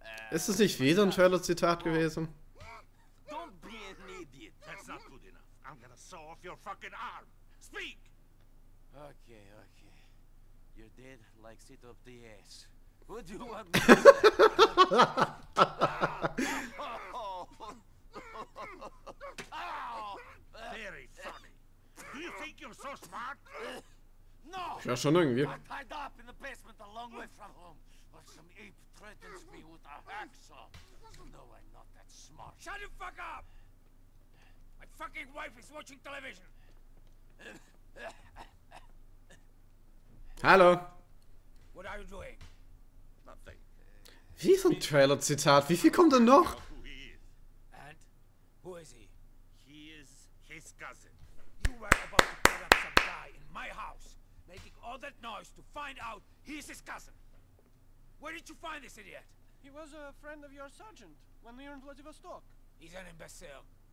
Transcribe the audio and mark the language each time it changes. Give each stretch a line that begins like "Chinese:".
German: Ist es nicht wieder ein Trailer-Zitat gewesen?
English: Don't be an idiot. That's not good enough. I'm gonna saw off your fucking arm. Speak! Okay, okay. You're dead like sit up the ass. What do you want me to do? Very funny. Do you think you're so smart?
German: Ja, schon irgendwie.
English: I tied up in the basement a long way from home, but some ape threatens me with a hacksaw. No, I'm not that smart. Shut the fuck up! My fucking wife is watching television.
German: Hallo.
English: What are you doing? Nothing.
German: Wie so ein Trailer-Zitat. Wie viel kommt denn noch?
English: And who is he? He is his cousin. You were about to kill some guy in my house. Making all that noise to find out he's his cousin. Where did you find this idiot? He was a friend of your sergeant when we were in Vladivostok. He's an imbecile.